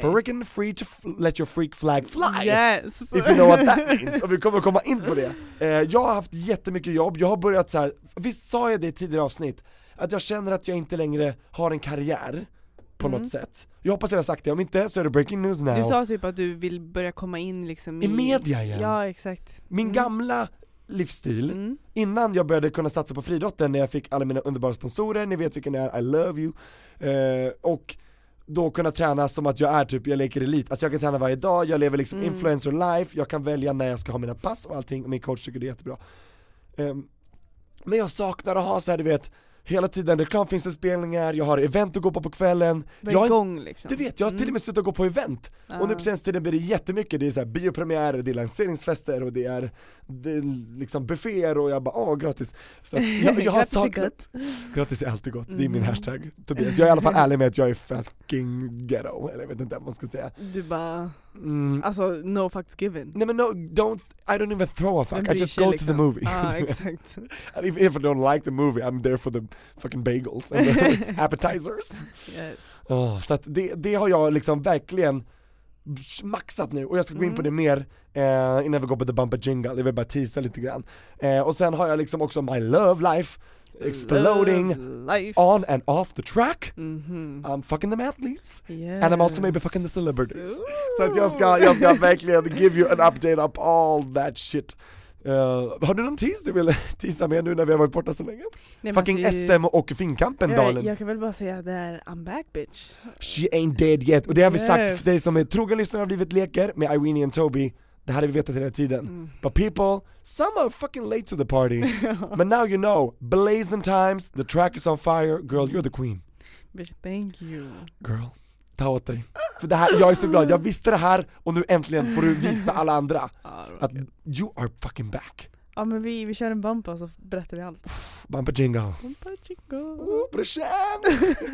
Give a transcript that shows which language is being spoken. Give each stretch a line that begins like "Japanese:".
English: The freaking free to let your freak flag fly. Yes. If you know what that means.
Swedish: Och vi kommer att komma in på det. Jag har haft jättemycket jobb. Jag har börjat så här. Visst sa jag det i tidigare avsnitt. Att jag känner att jag inte längre har en karriär. På något sätt. Jag hoppas jag har sagt det. Om inte så är det
English: breaking news now.
Swedish: Du sa typ att du vill börja komma in liksom i media igen. Ja, exakt. Min gamla livsstil. Mm. Innan jag började kunna satsa på friidrotten när jag fick alla mina underbara sponsorer, ni vet vilken det är,
English: I love you.
Swedish: Och då kunna träna som att jag är typ, jag leker elit. Alltså jag kan träna varje dag, jag lever liksom
English: influencer life,
Swedish: jag kan välja när jag ska ha mina pass och allting, och min coach tycker det är jättebra. Men jag saknar att ha så här, du vet, hela tiden reklam, finns det spelningar, jag har event att gå på kvällen. Jag är igång liksom. Du vet, jag har till och med slutat gå på event. Och nu precis tiden blir det jättemycket. Det är så här biopremiärer, det är lanseringsfester och det är liksom bufféer. Och jag bara, gratis. Så jag har saknat. Gratis är alltid gott. Det är min hashtag, Tobias. Jag är i alla fall ärlig med att jag är
English: fucking ghetto.
Swedish: Eller jag vet inte vad man ska säga. Du bara, alltså,
English: no fucks given. Nej, men no, don't, I don't even throw a fuck. I just go to the movie.
Swedish: Ja, exakt.
English: And if I don't like the movie, I'm there for the fucking bagels and the appetizers. Yes.
Swedish: Oh, så att det har jag liksom verkligen maxat nu. Och jag ska gå in på det mer innan vi går på
English: the bumper jingle.
Swedish: Det vill bara teasa lite grann. Och sen har jag liksom också
English: my love life exploding life. On and off the track. Mm-hmm. I'm fucking the athletes. Yes. And I'm also maybe fucking the celebrities. Ooh.
Swedish: Så att jag ska verkligen
English: give you an update up all that shit.
Swedish: Har du någon tease du vill teasa med nu när vi har varit borta så länge? Nej,
English: fucking
Swedish: alltså, SM och finkampen, Dalen. Jag kan väl bara säga det här,
English: I'm back, bitch. She ain't dead yet.
Swedish: Och det har vi sagt för dig som är trogen lyssnare av Livet Leker med Irene och Toby. Det hade vi vetat hela tiden. Mm.
English: But people, some are fucking late to the party. But now you know, blazing times, the track is on fire. Girl, you're the queen. Bitch, thank you.
Swedish: Girl, ta åt dig. För det här, jag är så glad, jag visste det här och nu äntligen får du visa alla andra att
English: you are fucking back.
Swedish: Ja, men vi kör en bumper så berättar vi allt. Bumper jingle. Bumper jingle. Brysjen!